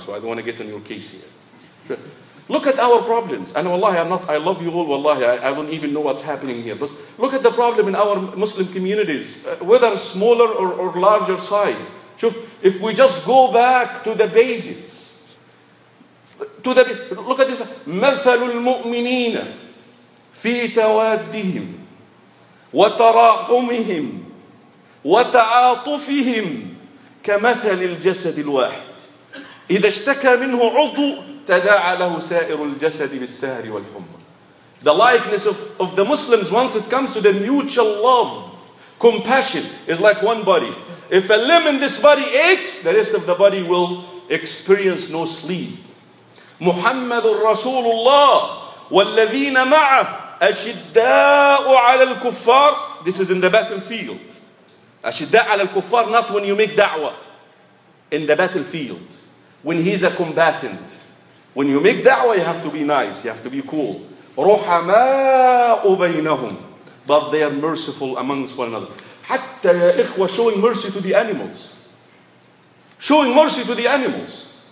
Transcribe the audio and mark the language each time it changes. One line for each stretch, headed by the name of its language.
English: So I don't want to get in your case here. Look at our problems. And wallahi, I'm not, I love you all, wallahi, I don't even know what's happening here. But look at the problem in our Muslim communities, whether smaller or larger size.
Arabic: شوف,
English: if we just go back to the basics, to the, look at this.
Arabic: مثل المؤمنين في توادهم وتراحمهم وتعاطفهم كمثل الجسد الواحد. إذا اشتكى منه عضو تداعى له سائر الجسد بالسهر والحمى.
English: The likeness of the Muslims once it comes to the mutual love, compassion is like one body. If a limb in this body aches, the rest of the body will experience no sleep.
Arabic: محمد رسول الله والذين معه أشداء على الكفار.
English: This is in the battlefield.
Arabic: أشداء على الكفار,
English: not when you make
Arabic: دعوة.
English: In the battlefield, when he's a combatant. When you make دعوة, you have to be nice, you have to be cool.
Arabic: رحماء بينهم,
English: but they are merciful amongst one another.
Arabic: حتى يا إخوة,
English: showing mercy to the animals. Showing mercy to the animals.